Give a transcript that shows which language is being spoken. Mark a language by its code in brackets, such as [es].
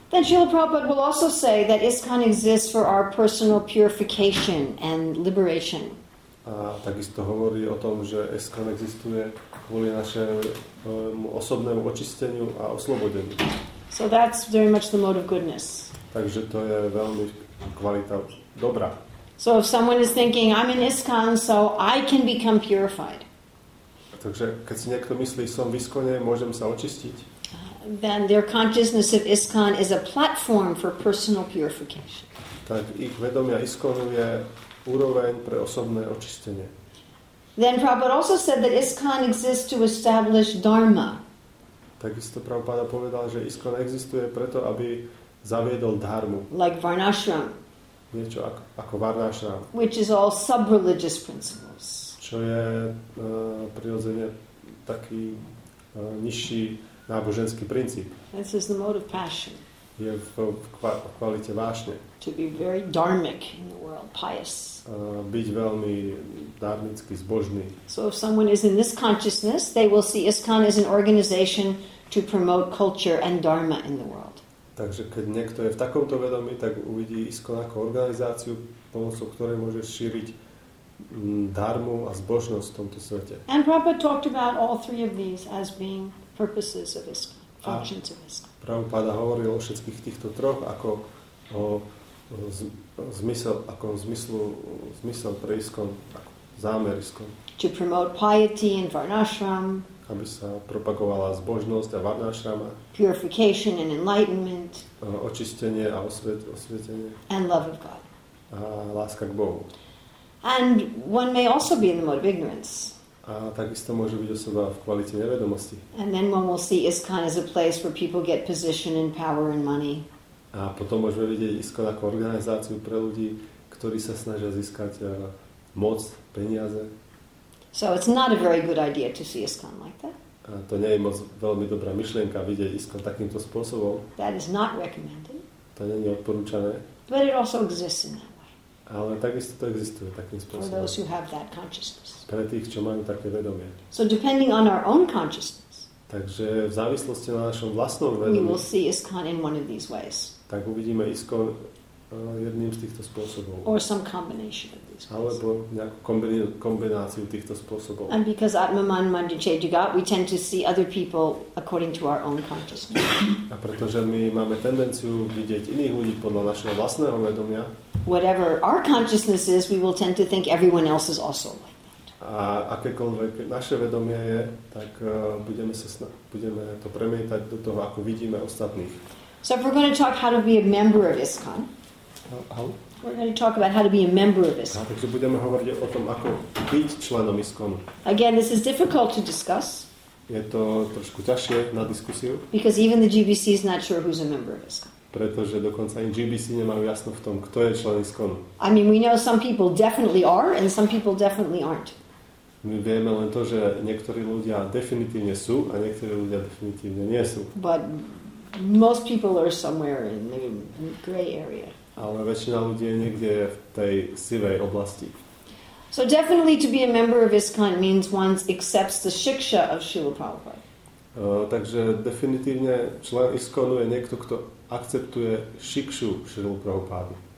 [en] Then Srila Prabhupada will also say that ISKCON exists for our personal purification and liberation. [sk] A takisto hovorí o tom, že ISKCON existuje kvôli našemu osobnému očisteniu a oslobodeniu. [en] So that's very much the mode of goodness. [sk] Takže to je veľmi kvalita dobrá. [en] So if someone is thinking, I'm in ISKCON, so I can become purified. [sk] Takže keď si niekto myslí, som v ISKCONe, môžem sa očistiť. [en] Then their consciousness of ISKCON is a platform for personal purification. [sk] Tak ich vedomia ISKCONu je úroveň pre osobné očistenie. [en] Then Prabhupada also said that ISKCON exists to establish dharma. [sk] Takisto Prabhupada povedal, že ISKCON existuje preto, aby zaviedol dharmu. [en] Like Varnashram. [sk] Niečo ako Varnashram. [en] Which is all sub-religious principles. [sk] Čo je prirodzene taký nižší náboženský princíp. [en] This is the mode of passion. [sk] Je v kvalite vášne. [en] To be very dharmic in the world, pious. [sk] Byť veľmi dharmický, zbožný. [en] So if someone is in this consciousness, they will see ISKCON as an organization to promote culture and dharma in the world. [sk] Takže keď niekto je v takomto vedomí, tak uvidí ISKCON ako organizáciu, pomocou ktorej môže šíriť dharmu a zbožnosť v tomto svete. [en] And Prabhupada talked about all three of these as being purposes of ISKCON, functions of ISKCON. [sk] Prabhupada hovoril o všetkých týchto troch ako o zmysel, ako zmyslu, zmysel pre ISKCON, ako zámer ISKCON. [en] To promote piety in Varnashram. [sk] Aby sa propagovala zbožnosť a Varnashrama. [en] Purification and enlightenment. [sk] Očistenie a osvietenie. [en] And love of God. [sk] A láska k Bohu. [en] And one may also be in the mode of ignorance. [sk] A takisto môže byť osoba v kvalite nevedomosti. [en] And then one will see ISKCON as a place where people get position and power and money. [sk] A potom môžeme vidieť ISKCON ako organizáciu pre ľudí, ktorí sa snažia získať moc, peniaze. [en] So it's not a very good idea to see ISKCON like that. [sk] A to nie je moc veľmi dobrá myšlienka vidieť ISKCON takýmto spôsobom. [en] That is not recommended. [sk] To nie je odporúčané. [en] But it also exists in that way. [sk] Ale takisto to existuje takým spôsobom. [en] For those who have that consciousness. [sk] Pre tých, čo majú také vedomie. [en] So depending on our own consciousness. [sk] Takže v závislosti na našom vlastnom vedomí. [en] We will see ISKCON in one of these ways. [sk] Tak uvidíme ISKCON jedným z týchto spôsobov. [en] Or some combination of these. [sk] Alebo nejakú kombináciu týchto spôsobov. [en] And because Atmaman Mandiche Jagat, we tend to see other people according to our own consciousness. [sk] A pretože my máme tendenciu vidieť iných ľudí podľa našeho vlastného vedomia. [en] Whatever our consciousness is, we will tend to think everyone else is also like that. [sk] A akékoľvek naše vedomie je, tak budeme to premietať do toho, ako vidíme ostatných. [en] So if we're going to talk how to be a member of ISKCON. We're going to talk about how to be a member of ISKCON. [sk] Takže budeme hovoriť o tom, ako byť členom ISKCON. [en] Again, this is difficult to discuss. [sk] Je to trošku ťažšie na diskusiu. [en] Because even the GBC is not sure who's a member of ISKCON. [sk] Pretože dokonca ani GBC nemajú jasno v tom, kto je člen ISKCON. [en] I mean, we know some people definitely are and some people definitely aren't. [sk] My vieme len to, že niektorí ľudia definitívne sú a niektorí ľudia definitívne nie sú. [en] But most people are somewhere in the gray area. [sk] Ale väčšina ľudí je niekde v tej sivej oblasti. [en] So definitely to be a member of ISKCON means one accepts the shiksha of Srila Prabhupada. [sk] Takže definitívne člen ISKCONu je niekto, kto akceptuje šikšu Srila Prabhupády.